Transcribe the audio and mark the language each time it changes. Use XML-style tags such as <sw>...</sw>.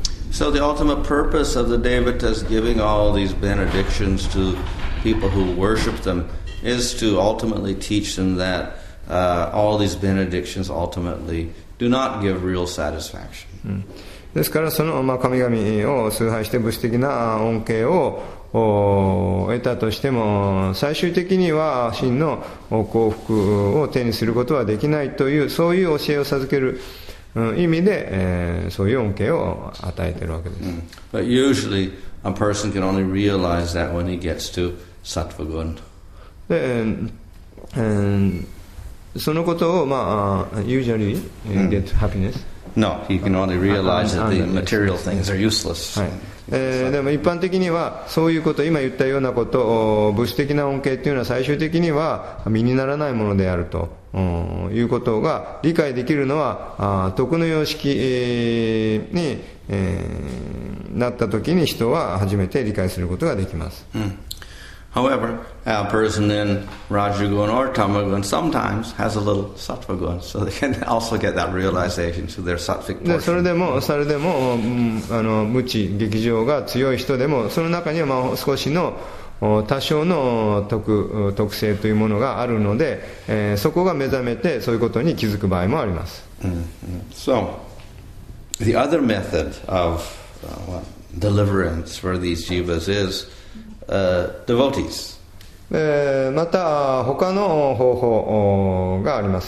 <en>So the ultimate purpose of the devatas giving all these benedictions to people who worship them is to ultimately teach them that all these benedictions ultimately do not give real satisfaction.</en> <ja>ですからその、まあ、神々を崇拝して物質的な恩恵を得たとしても、最終的には真の幸福を手にすることはできないという、そういう教えを授ける。意味で、そういう恩恵を与えているわけです。</ja> <en>But usually a person can only realize that when he gets to sattva gun.</en> <ja>で、そのことをまあ</ja> <en>usually get happiness. No, he can only realize that the material things are useless.</en> <ja>はい。でも一般的にはそういうこと、今言ったようなこと、物質的な恩恵というのは最終的には身にならないものであるということが理解できるのは徳の様式に、なったときに人は初めて理解することができます。</ja> <en>However, a person in Rajagun or Tamagun sometimes has a little Sattvagun, so they can also get that realization to their Sattvic portion.</en> <ja>それでも、無知、激情が強い人でも、その中には少しの多少の 特性というものがあるので、そこが目覚めてそういうことに気づく場合もあります。</ja> <en>So, the other method of deliverance for these jivas is devotees.</en> <ja>また他の方法があります。</ja>